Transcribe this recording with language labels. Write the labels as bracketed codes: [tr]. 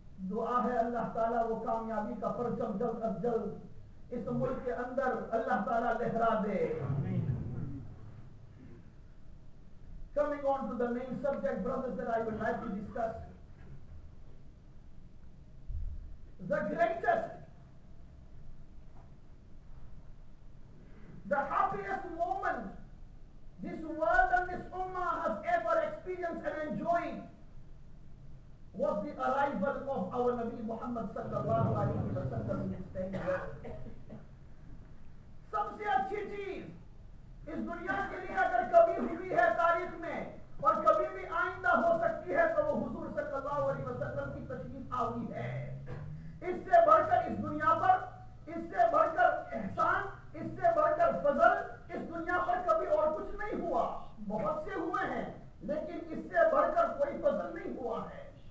[ur] دعا ہے اللہ تعالیٰ وہ کامیابی کا پرچم جلد از جلد اس ملک کے اندر اللہ تعالیٰ لہرا دے [en] Coming on to the main subject, brothers, that I would like to discuss. The greatest, the happiest moment this world and this ummah has ever experienced and enjoyed was the arrival of our Nabi Muhammad sallallahu alayhi wa sallam in this day. [ur] Sabse achhi cheez اس دنیا کے لیے اگر کبھی ہوئی ہے تاریخ میں اور کبھی بھی آئندہ ہو سکتی ہے تو وہ حضور صلی اللہ علیہ وسلم کی تشریف آوری ہے اس سے بڑھ کر اس دنیا پر اس سے بڑھ کر احسان اس سے بڑھ کر فضل اس دنیا پر کبھی اور کچھ نہیں ہوا بہت سے ہوئے ہیں لیکن اس سے بڑھ کر کوئی فضل نہیں ہوا ہے